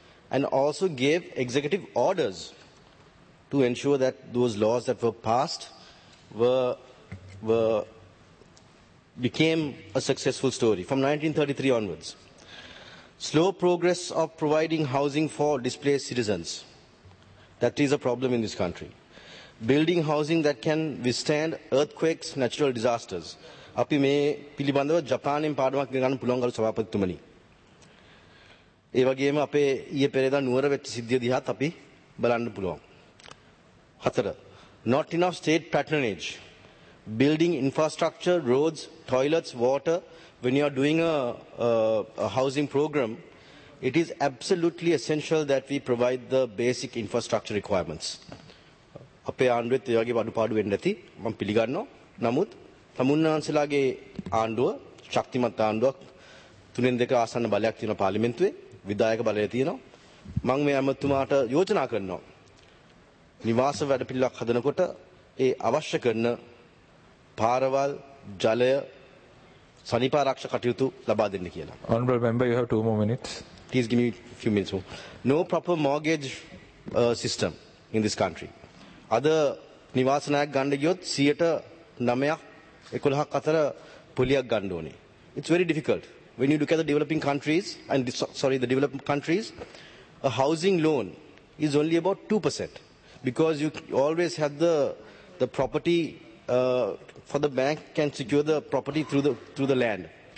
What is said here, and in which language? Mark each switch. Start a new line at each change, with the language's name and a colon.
English: and also gave executive orders to ensure that those laws that were passed became a successful story from 1933 onwards. Slow progress of providing housing for displaced citizens. That is a problem in this country. Building housing that can withstand earthquakes, natural disasters.
Sinhala: අපි මේ පිළිබඳව ජපානයෙන් පාඩමක් ගන්න පුළුවන් ගරු සභාපතිතුමනි. ඒ වගේම අපේ ඊයේ පෙරේදා නුවර වෙච්ච සිද්ධිය දිහාත් අපි බලන්න පුළුවන්. හතර.
English: Not enough state patronage. Building infrastructure, roads, toilets, water. When you are doing a housing program, it is absolutely essential that we provide the basic infrastructure requirements.
Sinhala: අපේ ආණ්ඩුවෙත් ඒ වගේ අඩුපාඩු වෙන්න ඇති මම පිළිගන්නවා. නමුත් තමුන්නාන්සලාගේ ආණ්ඩුව ශක්තිමත් ආණ්ඩුවක් 3-2 ආසන්න බලයක් තියෙන පාර්ලිමේන්තුවේ විධායක බලය තියෙනවා. මම මේ අමතුමාට යෝජනා කරනවා. නිවාස වැඩපිළිවෙලක් හදනකොට ඒ අවශ්‍ය කරන පාරවල් ජලය සනීප ආරක්ෂක කටයුතු ලබා දෙන්න කියලා.
English: Honorable member, you have 2 more minutes. Please give me a few minutes more. No proper mortgage system in this country.
Sinhala: අද නිවාස ණයක් ගන්න ගියොත් 9% 11% අතර පොලියක් ගන්න ඕනේ.
English: It's very difficult. When you look at the developing countries and the developed countries, a housing loan is only about 2% because you always have the property for the bank can secure the property through the land.